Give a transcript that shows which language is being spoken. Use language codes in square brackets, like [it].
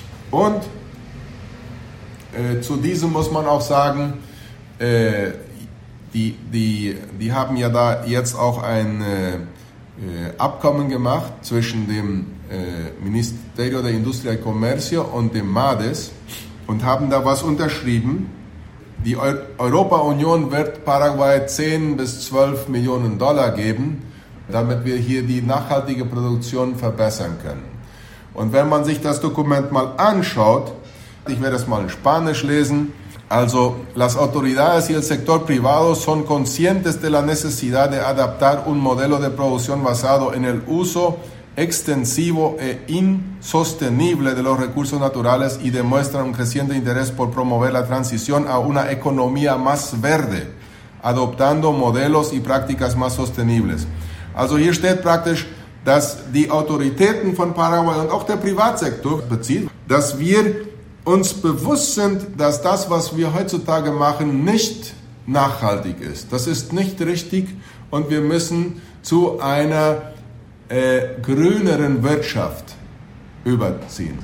[de] Und zu diesem muss man auch sagen, die haben ja da jetzt auch ein Abkommen gemacht zwischen dem Ministerio de Industria y Comercio und dem MADES und haben da was unterschrieben. Die Europa-Union wird Paraguay 10 bis 12 Millionen Dollar geben, damit wir hier die nachhaltige Produktion verbessern können. Und wenn man sich das Dokument mal anschaut, ich werde es mal in Spanisch lesen, also [es] las autoridades y el sector privado son conscientes de la necesidad de adaptar un modelo de producción basado en el uso extensivo e insostenible de los recursos naturales y demuestra un creciente interés por promover la transición a una economía más verde, adoptando modelos y prácticas más sostenibles. [de] Also hier steht praktisch, dass die Autoritäten von Paraguay und auch der Privatsektor bezieht, dass wir uns bewusst sind, dass das, was wir heutzutage machen, nicht nachhaltig ist. Das ist nicht richtig und wir müssen zu einer grüneren Wirtschaft überziehen.